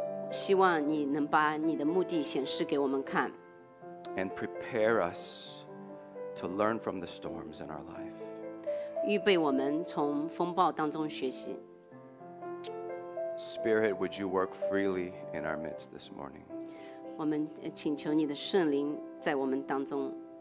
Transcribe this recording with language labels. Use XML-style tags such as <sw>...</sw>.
<zh>希望你能把你的目的显示给我们看。</zh> <en>And prepare us to learn from the storms in our life.</en> <zh>预备我们从风暴当中学习。</zh> <en>Spirit, would you work freely in our midst this morning?</en> <zh>我们请求你的圣灵在我们当中。</zh>